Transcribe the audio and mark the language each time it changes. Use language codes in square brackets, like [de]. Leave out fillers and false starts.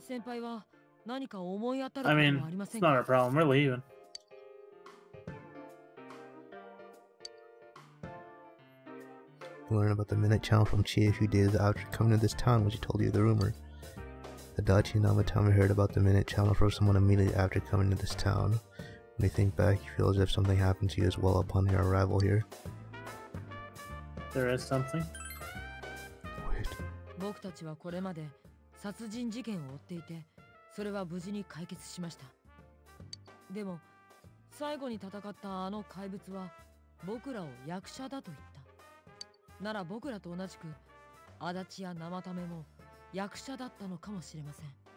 [ja] 先輩は何か思い当たることはありませんか？ [en] I mean, it's not our problem, we're leaving. You learn about the Minute Channel from Chia who did the outro coming to this town when she told you the rumor. Adachi and Namatame heard about the Minute Channel from someone immediately after coming to this town. When you think back, you feel as if something happened to you as well upon your arrival here. There is something? Wait. [ja] 僕たちはこれまで殺人事件を追っていて、それは無事に解決しました。でも、最後に戦ったあの怪物は僕らを役者だと言った。なら僕らと同じく、Adachi や Namatameも役者だったのかもしれません。